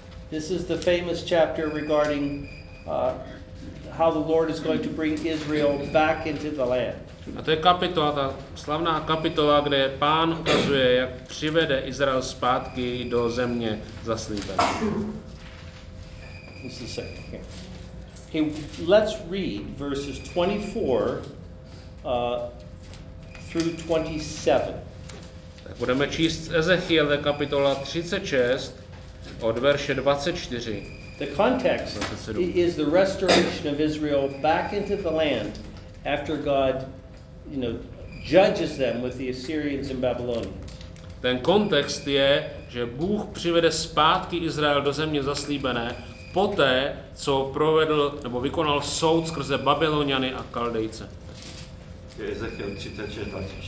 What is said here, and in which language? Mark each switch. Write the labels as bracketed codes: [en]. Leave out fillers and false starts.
[en] This is the famous chapter regarding how the Lord is going to bring Israel back into the land. [cs] A to je kapitola, ta slavná kapitola, kde Pán ukazuje, jak přivede Izrael zpátky do země zaslíbené. [en] This is the second here. Okay, let's read verses 24 through 27. [cs] Tak budeme číst Ezechiel kapitola 36 od verše 24. [en] The context 27. is the restoration of Israel back into the land after God, you know, judges them with the Assyrians and Babylonians. [cs] Ten kontext je, že Bůh přivede zpátky Izrael do země zaslíbené. Poté, co provedl nebo vykonal soud skrze Babyloniany a Kaldejce. Ezechiel 36:24.